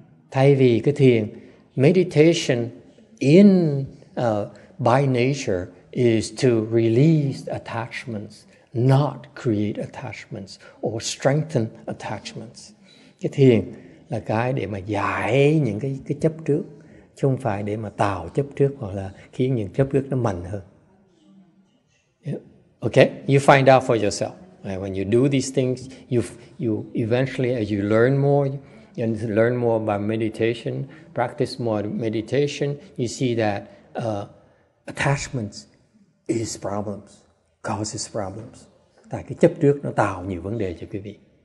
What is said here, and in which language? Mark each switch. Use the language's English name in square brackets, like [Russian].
[Vietnamese] Thay vì cái thiền, [English] meditation in by nature is to release attachments, not create attachments or strengthen attachments. [Vietnamese] Cái thiền là cái để mà giải những cái chấp trước, chứ không phải để mà tạo chấp trước hoặc là khiến những chấp trước nó mạnh hơn. [English] Yeah. Okay, you find out for yourself. When you do these things, you eventually, as you learn more, and learn more about meditation, practice more meditation, you see that attachments is problems, causes problems. [Vietnamese] Tại cái chấp trước nó tạo nhiều vấn đề cho quý vị.